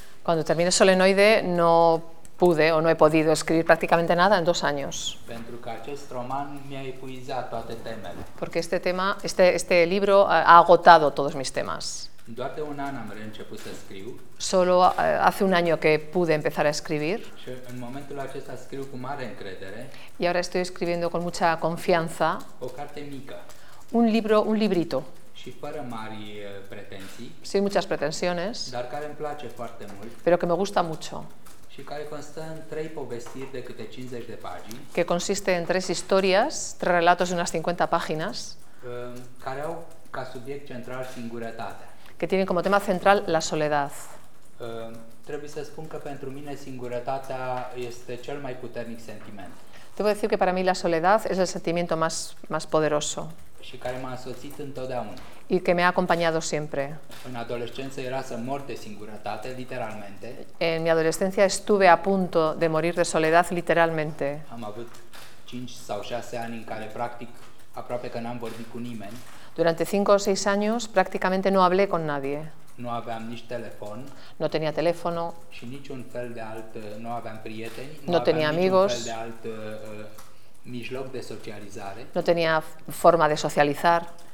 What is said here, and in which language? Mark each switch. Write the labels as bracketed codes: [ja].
[es] Cuando terminé Solenoide, no pude o no he podido escribir prácticamente nada en 2 años. [ro] Pentru că acest roman mi-a epuizat toate temele. [es] Porque este tema, este libro ha agotado todos mis temas. [ro] Doar de un an am reînceput să scriu. [es] Solo hace un año que pude empezar a escribir. [ro] Și în momentul acesta scriu cu mare încredere. [es] Y ahora estoy escribiendo con mucha confianza. [ro] O carte mică. [es] Un libro, un librito. [ro] Și fără mari pretenții. [es] Sin muchas pretensiones. [ro] Dar care îmi place foarte mult. [es] Pero que me gusta mucho. [ro] Și care constă în 3 povestiri de câte 50 de pagini. [es] Que consiste en 3 historias, 3 relatos de unas 50 páginas. [ro] Care au ca subiect central singurătatea. [es] Que tiene como tema central la soledad. [ro] Trebuie să spun că pentru mine singurătatea este cel mai puternic sentiment. [es] Debo decir que para mí la soledad es el sentimiento más poderoso. [ro] Și care m-a însoțit întotdeauna. [es] Y que me ha acompañado siempre. [ro] În adolescență era să mor de singurătate, literalmente. [es] En mi adolescencia estuve a punto de morir de soledad, literalmente. [ro] Am avut 5 sau 6 ani în care practic aproape că n-am vorbit cu nimeni. [es] Durante 5 o 6 años prácticamente no hablé con nadie. [ro] No aveam nici telefon. [es] No tenía teléfono. [ro] Și niciun fel de alt, nu aveam prieteni. [es] No tenía amigos. [ro] Niciun fel de alt mijloc de socializare. [es] No tenía forma de socializar.